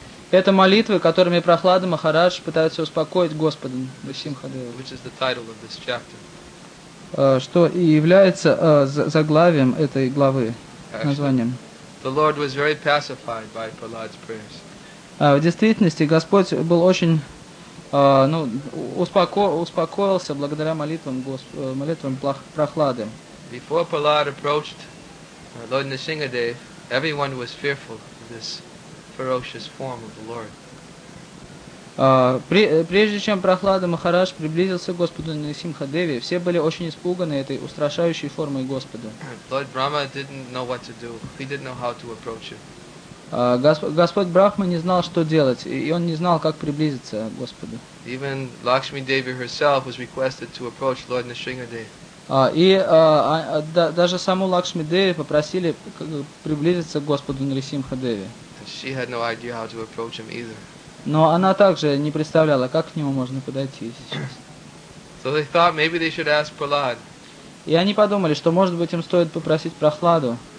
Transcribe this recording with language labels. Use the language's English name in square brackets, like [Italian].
[Russian] Это молитвы, которыми Прохлада Махарадж пытается успокоить Господа Нарсимхадева, что и является заглавием этой главы, названием. [English] The Lord was very pacified by Prahlad's prayers. [Russian] В действительности, Господь был очень успокоился благодаря молитвам Прохлады. [English] Before Prahlad approached Lord Nrisimhadev, everyone was fearful of this ferocious form of the Lord. [Russian] Прежде чем Прохлада Махарадж приблизился к Господу Нарсимхадеве, все были очень испуганы этой устрашающей формой Господа. [English] Lord Brahma didn't know what to do. He didn't know how to approach him. [Russian] Господь Брахма не знал, что делать, и он не знал, как приблизиться к Господу. [English] Even Lakshmi Devi herself was requested to approach Lord Nrisimhadeva. [Russian] Даже саму Лакшми Деви попросили приблизиться к Господу Нрисимхадеве. [English] She had no idea how to approach him either. [Russian] Но она также не представляла, как к нему можно подойти сейчас. [English] So they thought maybe they should ask Prahlad. [Russian] И они подумали, что может быть им стоит попросить Прохладу.